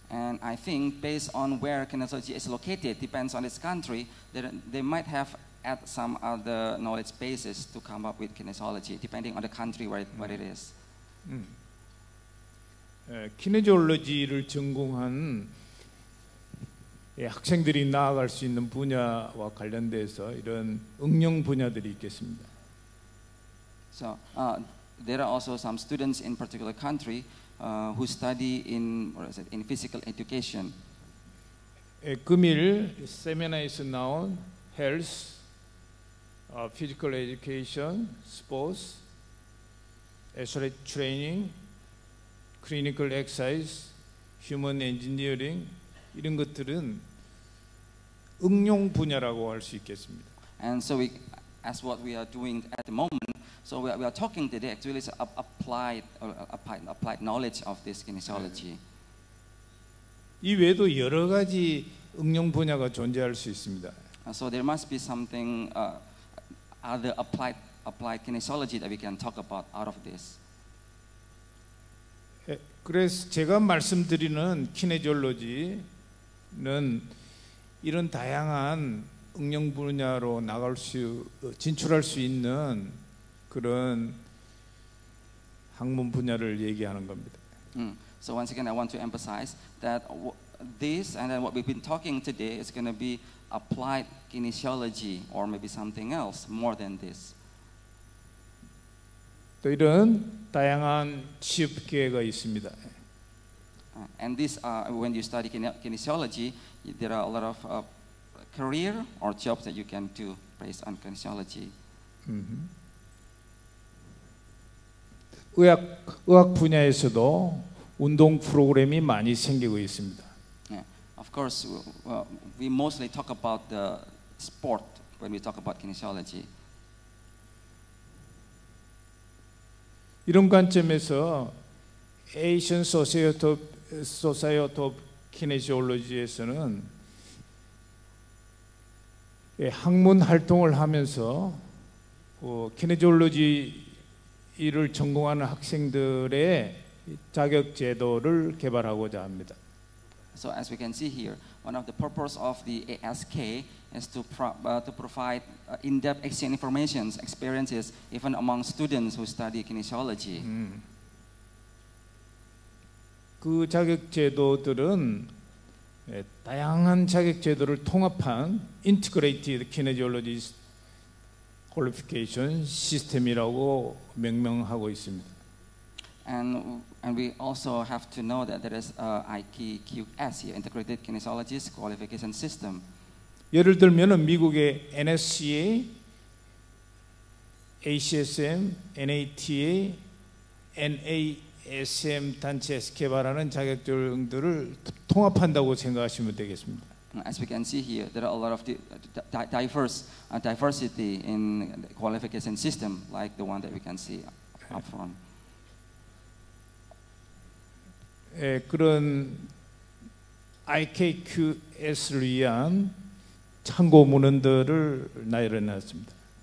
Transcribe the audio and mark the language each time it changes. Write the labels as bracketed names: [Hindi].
[English] And I think based on where kinesiology is located, depends on its country, they might have at some other knowledge bases to come up with kinesiology, depending on the country where it is. [Korean] 키네지올로지를 전공한 학생들이 나아갈 수 있는 분야와 관련돼서 이런 응용 분야들이 있겠습니다. [English] So there are also some students in particular country who study in, what is it, in physical education. [Korean] 금일 세미나에서 나온 health, physical education, sports, athletic training, clinical exercise, human engineering 이런 것들은 응용 분야라고 할 수 있겠습니다. [English] And so we, as what we are doing at the moment. So we are talking today actually is applied knowledge of this kinesiology. [Korean] 이외에도 여러 가지 응용 분야가 존재할 수 있습니다. [English] So there must be something other applied kinesiology that we can talk about out of this. [Korean] 그래서 제가 말씀드리는 kinesiology는 이런 다양한 응용 분야로 나갈 수 진출할 수 있는 그런 학문 분야를 얘기하는 겁니다. [English] So once again, I want to emphasize that this and then what we've been talking today is going to be applied kinesiology or maybe something else more than this. [Korean] 또 이런 다양한 취업 기회가 있습니다. [English] And this, when you study kinesiology, there are a lot of career or jobs that you can do based on kinesiology. Mm-hmm. [Korean] 의학 분야에서도 운동 프로그램이 많이 생기고 있습니다. [English] Yeah, of course, we mostly talk about the sport when we talk about kinesiology. [Korean] 이런 관점에서 Asian Society of Kinesiology에서는 학문 활동을 하면서 kinesiology 이를 전공하는 학생들의 자격 제도를 개발하고자 합니다. [English] So as we can see here, one of the purpose of the ASK is to provide in-depth exchange information, experiences, even among students who study kinesiology. [Korean] 그 자격 제도들은 다양한 자격 제도를 통합한 Integrated Kinesiology Qualification 시스템이라고 명명하고 있습니다. [English] And we also have to know that there is a IKQS, Integrated Kinesiology Qualification System. [Korean] 예를 들면 미국의 NSCA, ACSM, NATA, NASM 단체에서 개발하는 자격증들을 통합한다고 생각하시면 되겠습니다. [English] As we can see here, there are a lot of diversity in the qualification system, like the one that we can see up front. [Korean] 예, 그런 IKQS를 위한 참고 문헌들을 나열해놨습니다.